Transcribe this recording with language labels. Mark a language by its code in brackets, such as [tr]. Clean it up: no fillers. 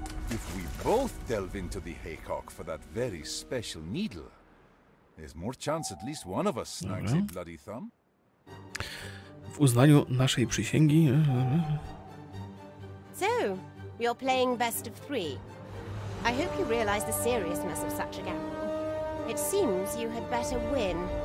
[en] If we both delve into the haycock for that very special needle, there's more chance at least one of us snags a bloody thumb. [pl] W uznaniu naszej przysięgi. [en] So, you're playing best of three. I hope you realize the seriousness of such a gamble. It seems you had better win.